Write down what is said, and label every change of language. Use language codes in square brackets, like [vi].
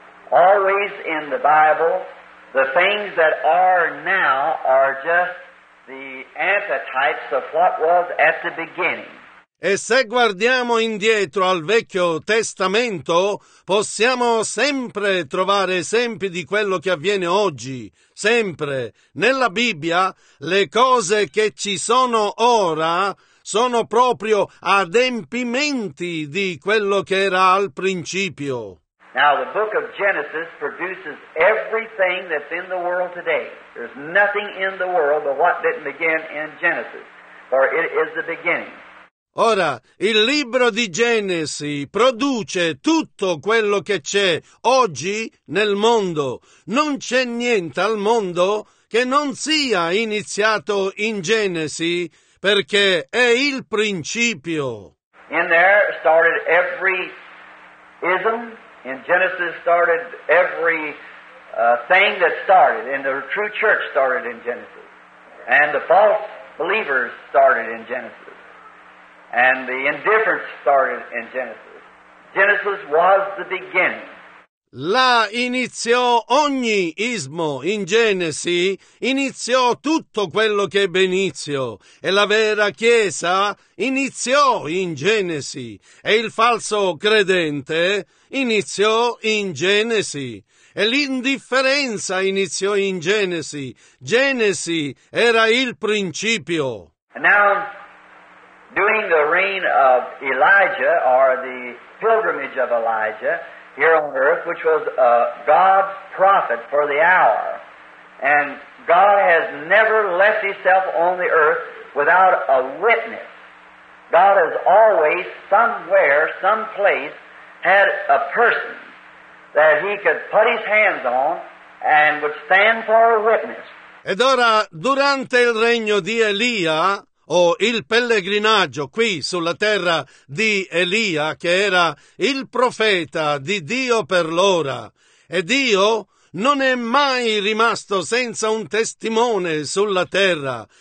[en] Always in the Bible, the things that are now are just the antitypes of what was at the beginning. [it] E se guardiamo indietro al Vecchio Testamento, possiamo sempre trovare esempi di quello che avviene oggi. Sempre. Nella Bibbia, le cose che ci sono ora sono proprio adempimenti di quello che era al principio. [en] Now, the book of Genesis produces everything that's in the world today. There's nothing in the world but what didn't begin in Genesis, for it is the beginning. [it] Ora, il libro di Genesi produce tutto quello che c'è oggi nel mondo. Non c'è niente al mondo che non sia iniziato in Genesi, perché è il principio. [en] In there started every ism. In Genesis started every thing that started, and the true church started in Genesis, and the false believers started in Genesis, and the indifference started in Genesis. Genesis was the beginning. [it] Là iniziò ogni ismo. In Genesi iniziò tutto quello che ebbe inizio, e la vera Chiesa iniziò in Genesi, e il falso credente iniziò in Genesi, e l'indifferenza iniziò in Genesi. Genesi era il principio. [en] And now, during the reign of Elijah, or the pilgrimage of Elijah, here on earth, which was God's prophet for the hour. And God has never left himself on the earth without a witness. God has always, somewhere, someplace, had a person that he could put his hands on and would stand for a witness. [it] Ed ora, durante il regno di Elia, o il pellegrinaggio qui sulla terra di Elia, che era il profeta di Dio per l'ora. E Dio non è mai rimasto senza un testimone sulla terra.